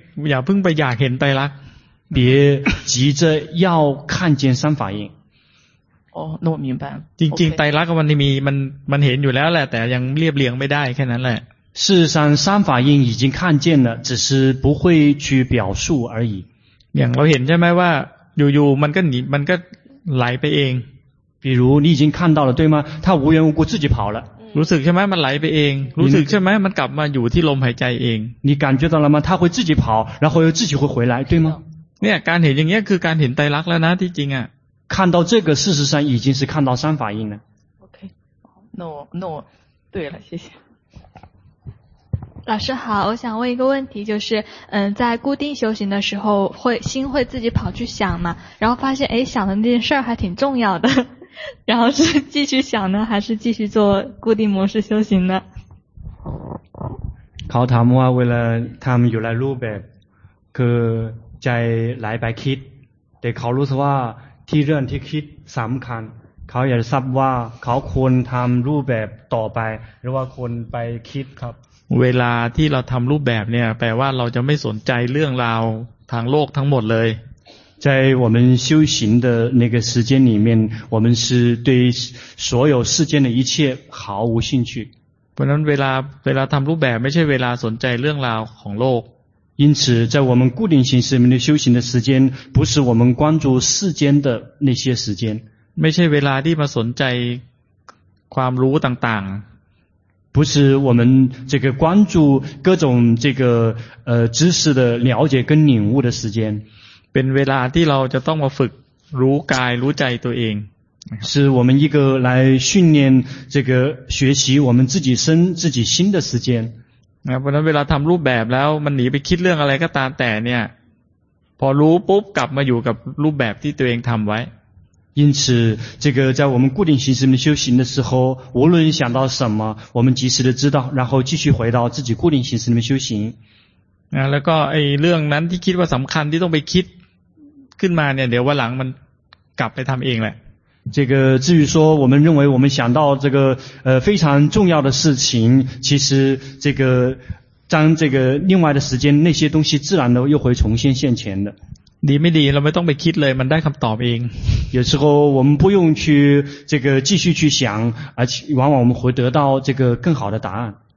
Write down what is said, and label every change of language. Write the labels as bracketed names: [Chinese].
[Thai] อย่าเพิ่งไปอยากเห็นไตรลักษณ์ [Chinese] 别急着要看见三法印。哦，那我明白了。 [Thai] จริงๆไตรลักษณ์มันมีมันเห็นอยู่แล้วแหละแต่ยังเรียบเรียงไม่ได้แค่นั้นแหละ。 [Chinese] 事实上，三法印已经看见了，只是不会去表述而已。 [Thai] อย่างเราเห็นใช่ไหมว่าอยู่มันก็ไหลไปเอง [Chinese] 比如你已经看到了对吗他无缘无故自己跑了 [Thai] รู้สึกใช่ไหมมันไหลไปเองรู้สึกใช่ไหมมันกลับมาอยู่ที่ลมหายใจเอง [Chinese] 你感觉到了吗他会自己跑然后又自己会回来对吗 [Thai] เนี่ยการเห็นอย่างเงี้ยคือการเห็นไตรลักษณ์แล้วนะที่จริงอ่ะ [Chinese] 看到这个事实上已经是看到三法印了 OK 那我对了谢谢老师好我想问一个问题就是在固定修行的时候心会自己跑去想嘛然后发现诶想的那件事还挺重要的然后是继续想呢还是继续做固定模式修行呢 [Thai] เขาถามว่าเวลาทำอยู่ในรูปแบบคือใจไหลไปคิดแต่เขารู้สึกว่าที่เรื่องที่คิดสำคัญเขาอยากทราบว่าเขาควรทำรูปแบบต่อไปหรือว่าควรไปคิดครับ เวลาที่เราทำรูปแบบเนี่ยแปลว่าเราจะไม่สนใจเรื่องราวทางโลกทั้งหมดเลย [Chinese] 在我们修行的那个时间里面我们是对所有世间的一切毫无兴趣不然 [Thai] เวลาทำรูปแบบไม่ใช่เวลาสนใจเรื่องราวของโลก [Chinese] 因此在我们固定形式里面的修行的时间不是我们关注世间的那些时间 [Thai] ไม่ใช่เวลาที่มาสนใจความรู้ต่าง [Chinese] ๆ不是我们这个关注各种这个知识的了解跟领悟的时间 [Thai] เป็นเวลาที่เราจะต้องมาฝึกรู้กายรู้ใจตัวเอง [Chinese] 是我们一个来训练这个学习我们自己身自己心的时间 [Thai] เพราะฉะนั้นเวลาทำรูปแบบแล้วมันหนีไปคิดเรื่องอะไรก็ตามแต่เนี่ย พอรู้ปุ๊บกลับมาอยู่กับรูปแบบที่ตัวเองทำไว้ [Chinese] 因此这个在我们固定形式的修行的时候无论想到什么我们及时的知道然后继续回到自己固定形式的修行 [Thai] แล้วก็ไอ้เรื่องนั้นที่คิดว่าสำคัญที่ต้องไปคิดขึ้นมาเนี่ยเดี๋ยววันหลังมันกลับไปทำเองแหละ [Chinese] 这个至于说我们认为我们想到这个非常重要的事情其实这个当这个另外的时间那些东西自然的又会重新现前的 [Thai] ดีไม่ดีเราไม่ต้องไปคิดเลยมันได้คำตอบเอง [Chinese] 有时候我们不用去这个继续去想而且往往我们会得到这个更好的答案